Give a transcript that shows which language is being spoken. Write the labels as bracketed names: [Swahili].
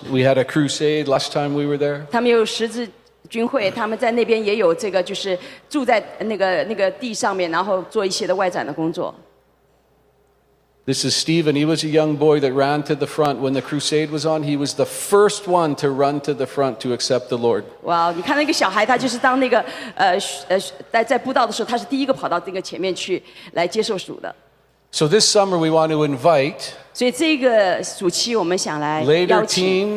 [English] We had a crusade last time we were there. [Chinese] 他们有十字军会，他们在那边也有这个，就是住在那个地上面，然后做一些的外展的工作。 [English] This is Stephen. He was a young boy that ran to the front when the crusade was on. He was the first one to run to the front to accept the Lord. [Chinese] Wow, 你看那个小孩，他就是当那个在布道的时候，他是第一个跑到那个前面去来接受主的。 [English] So this summer we want to invite [Chinese] 所以这个暑期我们想来邀请